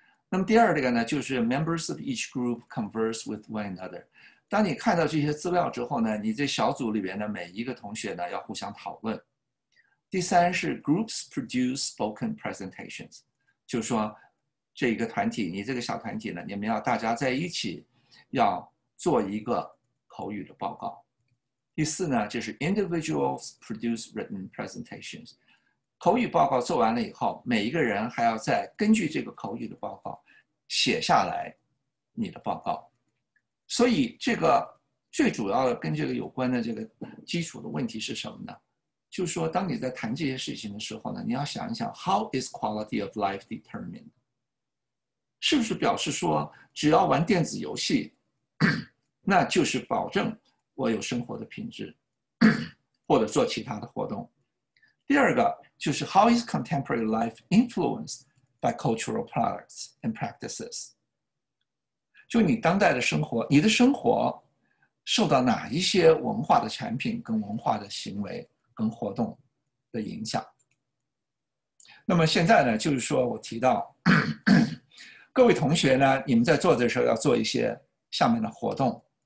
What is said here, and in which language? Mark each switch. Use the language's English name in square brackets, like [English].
[Chinese] 那么第二个呢，就是 [English] members of each group converse with one another. [Chinese] 当你看到这些资料之后呢，你这小组里边的每一个同学呢，要互相讨论。第三是 [English] groups produce spoken presentations， [Chinese] 就是说这个团体，你这个小团体呢，你们要大家在一起要做一个口语的报告。第四呢，就是 [English] individuals produce written presentations， [Chinese] 口语报告做完了以后，每一个人还要再根据这个口语的报告写下来你的报告。所以这个最主要的跟这个有关的这个基础的问题是什么呢？就是说当你在谈这些事情的时候呢，你要想一想 [English] How is quality of life determined？ [Chinese] 是不是表示说只要玩电子游戏那就是保证我有生活的品质，或者做其他的活动。第二个就是 [English] How is contemporary life influenced by cultural products and practices？ [Chinese] 就你当代的生活，你的生活受到哪一些文化的产品跟文化的行为跟活动的影响。那么现在呢，就是说我提到各位同学呢，你们在做的时候要做一些下面的活动。